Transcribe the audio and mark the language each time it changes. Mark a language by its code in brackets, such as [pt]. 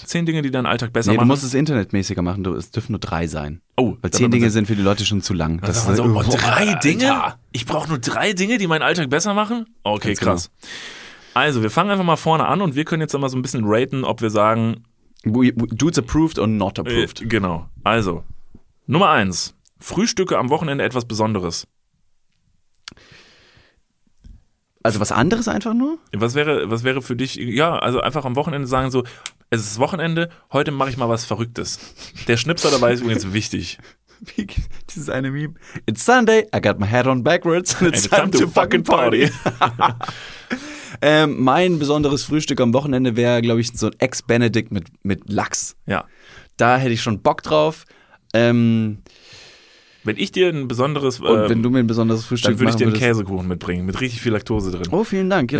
[de] 10 Dinge, die deinen Alltag besser machen. Du musst es internetmäßiger machen, es dürfen nur 3 sein. Oh. Weil 10 Dinge sind für die Leute schon zu lang. Das ist so, drei Dinge? Ich brauche nur 3 Dinge, die meinen Alltag besser machen? Okay, ganz krass. Genau. Also, wir fangen einfach mal vorne an und wir können jetzt mal so ein bisschen raten, ob wir sagen... [en] Dudes approved or not approved. [de] Genau. Also, Nummer 1. Frühstücke am Wochenende etwas Besonderes. Also was anderes einfach nur? Was wäre für dich, ja, also einfach am Wochenende sagen so, es ist Wochenende, heute mache ich mal was Verrücktes. Der Schnipser dabei ist übrigens wichtig. Dieses eine Meme. [en] It's Sunday, I got my hat on backwards, and it's time to fucking party. [de] mein besonderes Frühstück am Wochenende wäre, glaube ich, so ein Ex-Benedict mit Lachs. Ja. Da hätte ich schon Bock drauf. Wenn ich dir ein besonderes... wenn du mir ein besonderes Frühstück machen würdest... Dann würde ich dir einen Käsekuchen mitbringen, mit richtig viel Laktose drin. Oh, vielen Dank.